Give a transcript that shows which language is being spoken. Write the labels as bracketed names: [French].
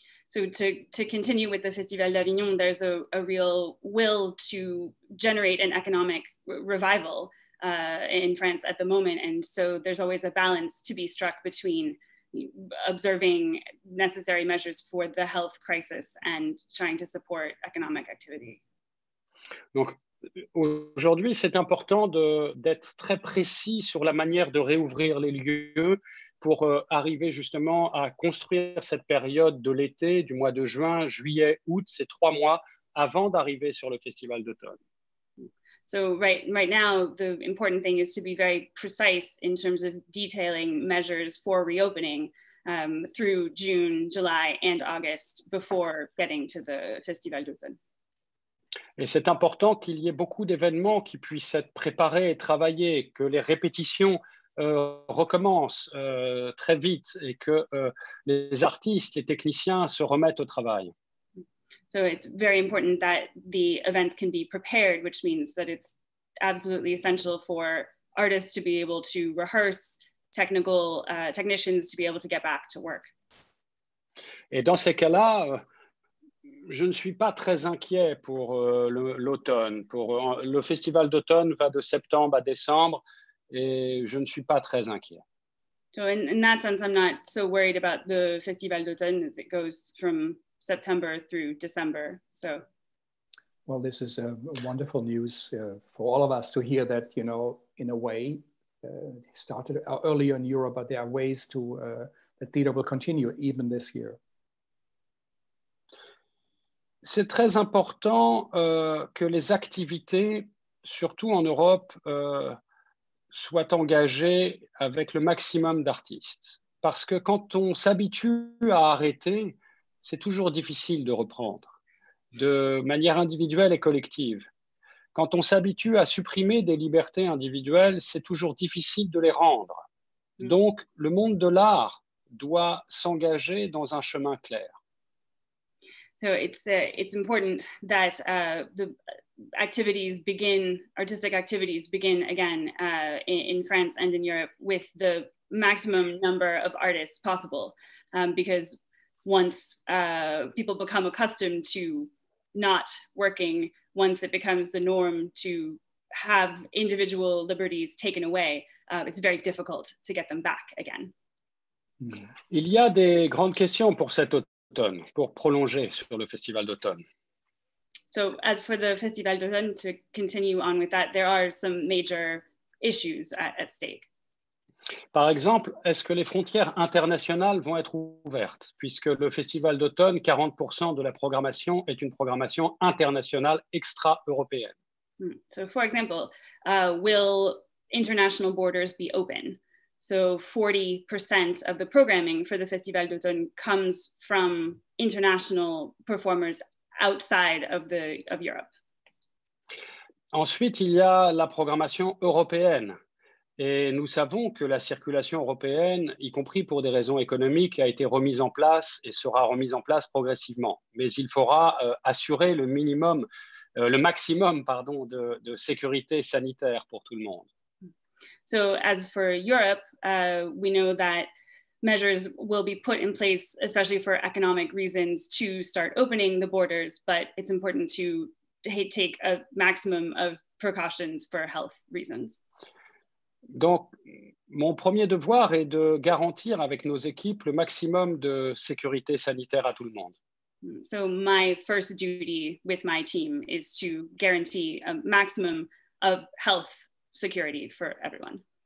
[English] So to continue with the Festival d'Avignon, there's a real will to generate an economic revival in France at the moment. And so there's always a balance to be struck between observing necessary measures for the health crisis and trying to support economic activity. [French] Donc aujourd'hui, c'est important d'être très précis sur la manière de réouvrir les lieux pour arriver justement à construire cette période de l'été, du mois de juin, juillet, août, ces trois mois avant d'arriver sur le festival d'automne. [English] So right now, the important thing is to be very precise in terms of detailing measures for reopening through June, July and August before getting to the Festival d'automne. [French] Et c'est important qu'il y ait beaucoup d'événements qui puissent être préparés et travaillés, que les répétitions recommencent très vite et que les artistes, les techniciens se remettent au travail. [English] So it's very important that the events can be prepared, which means that it's absolutely essential for artists to be able to rehearse, technicians to be able to get back to work. [French] Et dans ces cas-là, je ne suis pas très inquiet pour l'automne. Le festival d'automne va de septembre à décembre et je ne suis pas très inquiet. [English] So in that sense, I'm not so worried about the festival d'automne as it goes from September through December. So, well, this is a wonderful news for all of us to hear that, you know, in a way, it started earlier in Europe, but there are ways to, the theater will continue even this year. [French] C'est très important que les activités, surtout en Europe, soient engagées avec le maximum d'artistes. Parce que quand on s'habitue à arrêter, c'est toujours difficile de reprendre, de manière individuelle et collective. Quand on s'habitue à supprimer des libertés individuelles, c'est toujours difficile de les rendre. Donc, le monde de l'art doit s'engager dans un chemin clair. [English] So it's important that the activities begin, artistic activities begin again in France and in Europe with the maximum number of artists possible. Because once people become accustomed to not working, once it becomes the norm to have individual liberties taken away, it's very difficult to get them back again. [French] Il y a des grandes questions pour cet automne. Pour prolonger sur le festival d'automne. [English] So as for the festival d'automne, to continue on with that, there are some major issues at stake. [French] Par exemple, est-ce que les frontières internationales vont être ouvertes, puisque le festival d'automne, 40% de la programmation est une programmation internationale extra-européenne. [English] So for example, will international borders be open? So 40% of the programming for the Festival d'Automne comes from international performers outside of Europe. [French] Ensuite, il y a la programmation européenne. Et nous savons que la circulation européenne, y compris pour des raisons économiques, a été remise en place et sera remise en place progressivement. Mais il faudra assurer le maximum de sécurité sanitaire pour tout le monde. [English] So as for Europe, we know that measures will be put in place, especially for economic reasons, to start opening the borders, but it's important to take a maximum of precautions for health reasons. [French] Donc, mon premier devoir est de garantir avec nos équipes le maximum de sécurité sanitaire à tout le monde. [English] So my first duty with my team is to guarantee a maximum of health security for everyone.